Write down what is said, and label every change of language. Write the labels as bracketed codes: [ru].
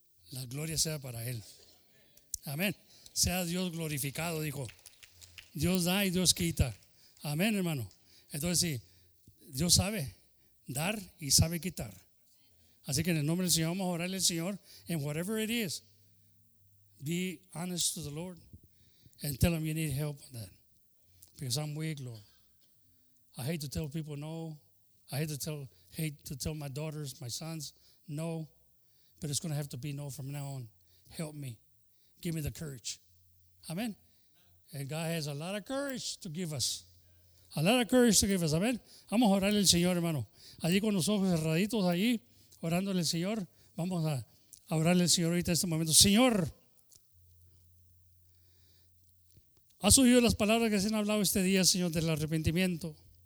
[es] La gloria sea para Él. Amén. Sea Dios glorificado, dijo. Dios da y Dios quita. Amén, hermano. Entonces, sí, Dios sabe dar y sabe quitar. Así que en el nombre del Señor, vamos a orarle al Señor. [en] And whatever it is, be honest to the Lord and tell him you need help on that. Because I'm weak, Lord. I hate to tell people no. I hate to tell my daughters, my sons, no. But it's going to have to be no from now on. Help me. Give me the courage. Amén. And God has a lot of courage to give us. A lot of courage to give us, amen. [es] Vamos a orarle al Señor, hermano. Allí con los ojos cerraditos, ahí, orándole al Señor. Vamos a orarle al Señor ahorita en este momento. Señor, has oído las palabras que se han hablado este día, Señor, del arrepentimiento.